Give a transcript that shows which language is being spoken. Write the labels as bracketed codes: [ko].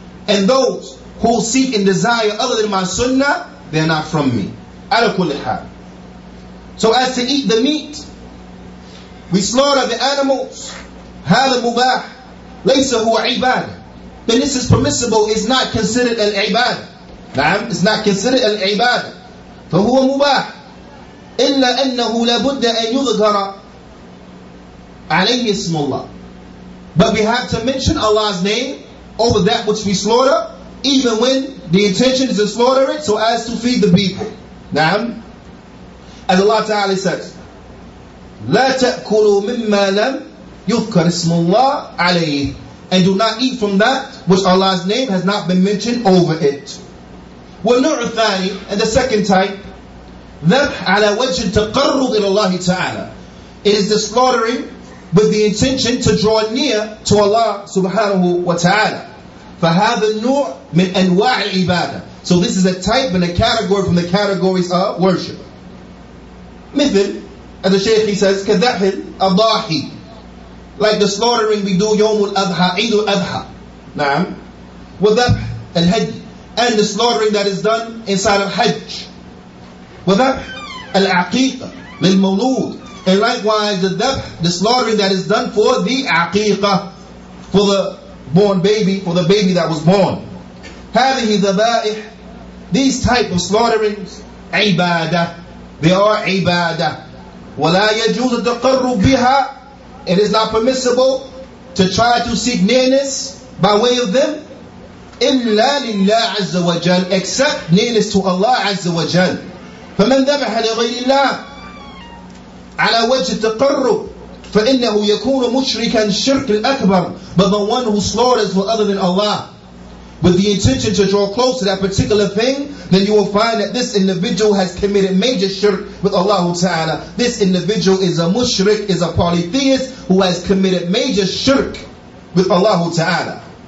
[en] And those who seek and desire other than my sunnah, they are not from me. [ar] عَلَى كُلِّ حَالٍ. [en] So as to eat the meat, we slaughter the animals. [ar] هَذَا مُبَاحٌ لَيْسَ هُوَ عِبَادٌ. [en] Then this is permissible, is not considered al-ibad. نعم, it's not considered al-ibad. [ar] فهو مباح. إلا أنه لابد أن يظهر عليه اسم الله. [en] But we have to mention Allah's name over that which we slaughter, even when the intention is to slaughter it so as to feed the people. [ar] نعم. [en] As Allah Ta'ala says, [ar] لا تأكلوا مما لم يذكر اسم الله عليه. [en] And do not eat from that which Allah's name has not been mentioned over it. [ar] والنوع الثاني, [en] and the second type, [ar] ذبح على وجه التقرب إلى الله تعالى. [en] It is the slaughtering with the intention to draw near to Allah [ar] سبحانه وتعالى. فهذا النوع من أنواع العبادة. [en] So this is a type and a category from the categories of worship. [ar] مثل, [en] as the Shaykh he says, [ar] كذبح الأضاحي. [en] Like the slaughtering we do [ar] يوم الأضحى, عيد الأضحى. [en] نعم. [ar] وذبح الهدي. [en] And the slaughtering that is done inside of Hajj. [ar] وذبح العقيقة للمولود. [en] And likewise the ذبح, the slaughtering that is done for the عقيقة, for the born baby, for the baby that was born. [ar] هذه ذبائح, [en] these type of slaughterings, عبادة, they are عبادة. [ar] ولا يجوز التقرب بها, [en] it is not permissible to try to seek nearness by way of them. [ar] إلا لله عز وجل, [en] except nearness to Allah [ar] عز وجل. فمن ذبح لغير الله على وجه التقرب فإنه يكون مشركا شرك الأكبر. [en] But the one who slaughters for other than Allah with the intention to draw close to that particular thing, then you will find that this individual has committed major shirk with Allah Ta'ala. This individual is a mushrik, is a polytheist who has committed major shirk with Allah Ta'ala.